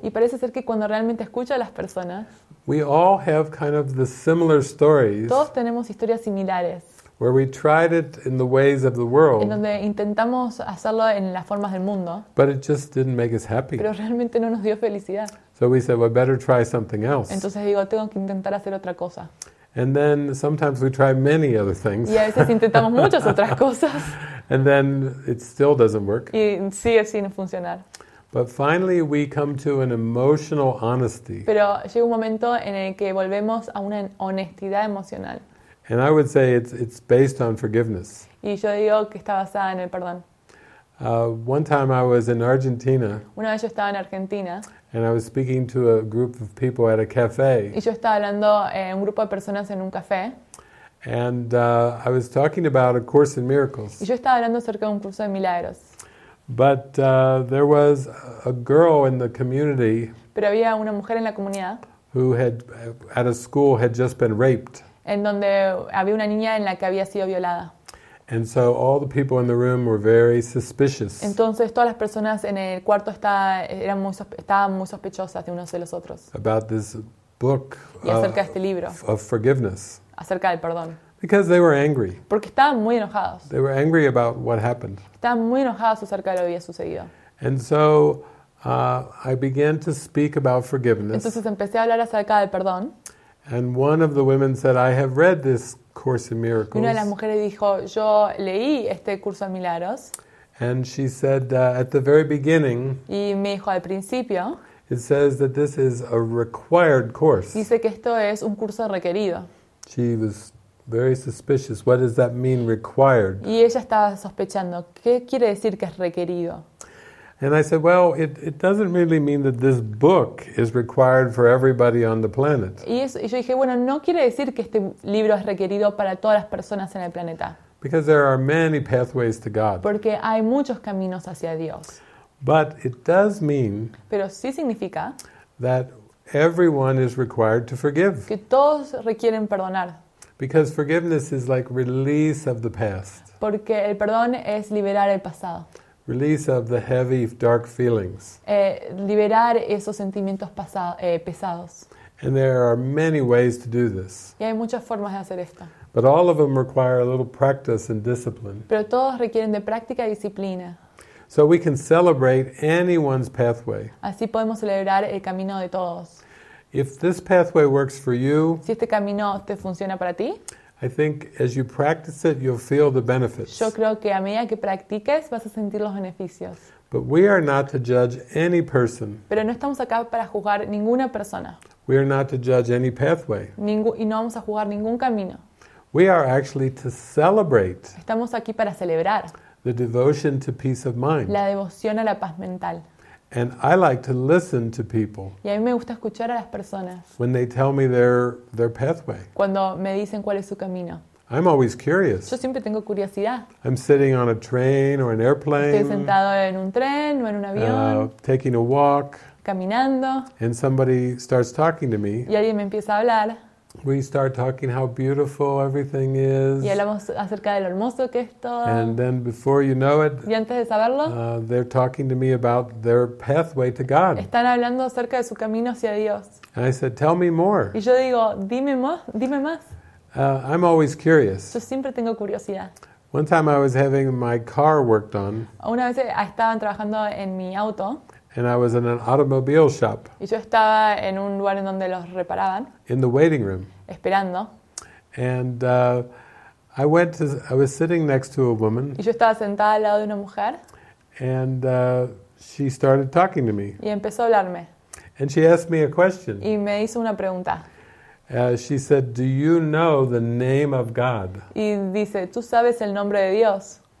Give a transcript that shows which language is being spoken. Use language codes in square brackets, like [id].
[es] Y parece ser que cuando realmente escucho a las personas. [en] We all have kind of the similar stories. [es] Todos tenemos historias similares. [en] Where we tried it in the ways of the world. [es] En donde intentamos hacerlo en las formas del mundo. [en] But it just didn't make us happy. [es] Pero realmente no nos dio felicidad. [en] So we said, well, better try something else. [es] Entonces digo, tengo que intentar hacer otra cosa. [en] And then sometimes we try many other things. [es] Y a veces intentamos muchas otras cosas. [en] And then it still doesn't work. [es] Y sigue sin funcionar. [en] But finally we come to an emotional honesty. [es] Pero llega un momento en el que volvemos a una honestidad emocional. [en] And I would say it's based on forgiveness. [es] Y yo digo que está basada en el perdón. [en] One time I was in Argentina. [es] Una vez yo estaba en Argentina. [en] And I was speaking to a group of people at a cafe. [es] Y yo estaba hablando un grupo de personas en un café. [en] And I was talking about A Course in Miracles. [es] Y yo estaba hablando acerca de un curso de milagros. [en] But there was a girl in the community. [es] Pero había una mujer en la comunidad. [en] Who had at a school had just been raped. [es] En donde había una niña en la que había sido violada. [en] And so all the people in the room were very suspicious. [es] Entonces todas las personas en el cuarto estaban muy sospechosas de unos de los otros. [en] About this book of forgiveness. [es] Acerca del perdón. [en] Because they were angry. [es] Porque estaban muy enojados. [en] They were angry about what happened. [es] Estaban muy enojados acerca de lo que había sucedido. [en] And so I began to speak about forgiveness. [es] Entonces empecé a hablar acerca del perdón. [en] And one of the women said, I have read this Course in Miracles. [es] Una de las mujeres dijo, yo leí este curso de milagros. [en] And she said, at the very beginning, [es] y me dijo al principio, [en] it says that this is a required course. [es] Dice que esto es un curso requerido. [en] She was very suspicious. What does that mean, required? [es] Y ella estaba sospechando, ¿qué quiere decir que es requerido? [en] And I said, well, it doesn't really mean that this book is required for everybody on the planet. [es] Y yo dije, bueno, no quiere decir que este libro es requerido para todas las personas en el planeta. [en] Because there are many pathways to God. [es] Porque hay muchos caminos hacia Dios. [en] But it does mean [es] Pero sí significa [en] that everyone is required to forgive. [es] Que todos requieren perdonar. [en] Because forgiveness is like release of the past. [es] Porque el perdón es liberar el pasado. [en] Release of the heavy, dark feelings. [es] Liberar esos sentimientos pesados. [en] And there are many ways to do this. [es] Y hay muchas formas de hacer esto. [en] But all of them require a little practice and discipline. [es] Pero todos requieren de práctica y disciplina. [en] So we can celebrate anyone's pathway. [es] Así podemos celebrar el camino de todos. [en] If this pathway works for you, [es] si este camino te funciona para ti, [en] I think as you practice it, you'll feel the benefits. [es] Yo creo que a medida que practiques, vas a sentir los beneficios. [en] But we are not to judge any person. [es] Pero no estamos acá para juzgar ninguna persona. [en] We are not to judge any pathway. [es] Y no vamos a juzgar ningún camino. [en] We are actually to celebrate. [es] Estamos aquí para celebrar. [en] The devotion to peace of mind. [es] La devoción a la paz mental. [en] And I like to listen to people. [es] Y a mí me gusta escuchar a las personas. [en] When they tell me their pathway. [es] Cuando me dicen cuál es su camino. [en] I'm always curious. [es] Yo siempre tengo curiosidad. [en] I'm sitting on a train or an airplane. [es] Estoy sentado en un tren o en un avión. [en] Taking a walk. [es] Caminando. [en] And somebody starts talking to me. [es] Y alguien me empieza a hablar. [en] We start talking how beautiful everything is. [es] Y hablamos acerca de lo hermoso que es todo. [en] And then before you know it, [es] y antes de saberlo, [en] they're talking to me about their pathway to God. [es] Están hablando acerca de su camino hacia Dios. [en] And I said, tell me more. [es] Y yo digo, dime más. [en] I'm always curious. [es] Yo siempre tengo curiosidad. [en] One time I was having my car worked on. [es] Una vez estaban trabajando en mi auto. [en] And I was in an automobile shop. [es] Y yo estaba en un lugar en donde los reparaban. [en] In the waiting room. [es] Esperando. [en] And I was sitting next to a woman. [es] Y yo estaba sentada al lado de una mujer. [en] And she started talking to me. [es] Y empezó a hablarme. [en] And she asked me a question. [es] Y me hizo una pregunta. [en] She said, "Do you know the name of God?" [es] Y dice, "¿Tú sabes el nombre de Dios?"